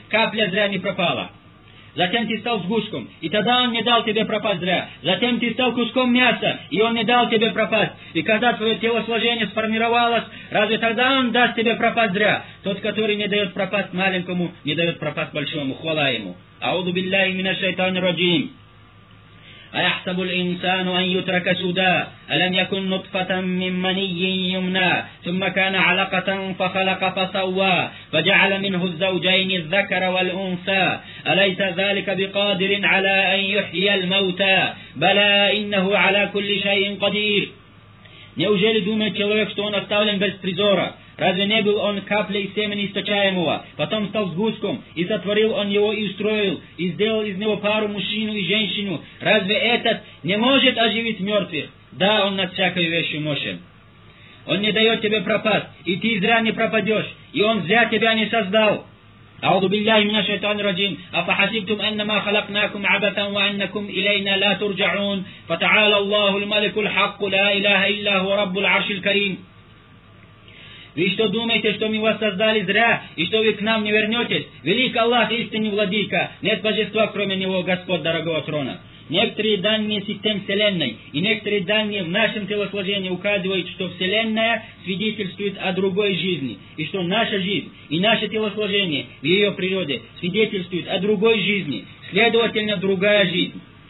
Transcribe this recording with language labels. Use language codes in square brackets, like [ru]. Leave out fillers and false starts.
[ru] Капля зря не пропала. Затем ты стал сгустком, и тогда он не дал тебе пропасть зря. Затем ты стал куском мяса, и он не дал тебе пропасть. И когда твое телосложение сформировалось, разве тогда он даст тебе пропасть зря? Тот, который не дает пропасть маленькому, не дает пропасть большому. Хвала ему. [ar] Ауду биллахи минаш шайтанир раджим. أيحسب الإنسان أن يترك سدى ألم يكن نطفة من مني يمنى ثم كان علقة فخلق فسوى فجعل منه الزوجين الذكر والأنثى أليس ذلك بقادر على أن يحيي الموتى بلى إنه على كل شيء قدير. [ru] Неужели думает человек, что он оставлен без призора? Разве не был он каплей семени источаемого? Потом стал сгустком, и сотворил он его, и устроил, и сделал из него пару мужчину и женщину. Разве этот не может оживить мертвых? Да, он над всякой вещью мощен. Он не дает тебе пропасть, и ты зря не пропадешь, и он зря тебя не создал. [ar] أعوذ بالله من الشيطان الرجيم أفحسبتم أنما خلقناكم عبثا وأنكم إلينا لا ترجعون فتعالى الله الملك الحق لا إله إلا هو رب العرش الكريم. [ru] Вы что думаете, что мы вас создали зря, и что вы к нам не вернетесь? Велик Аллах, истинный владыка, нет божества, кроме него, Господь дорогого трона. Некоторые данные систем Вселенной и некоторые данные в нашем телосложении указывают, что Вселенная свидетельствует о другой жизни, и что наша жизнь и наше телосложение в ее природе свидетельствует о другой жизни, следовательно, другая жизнь.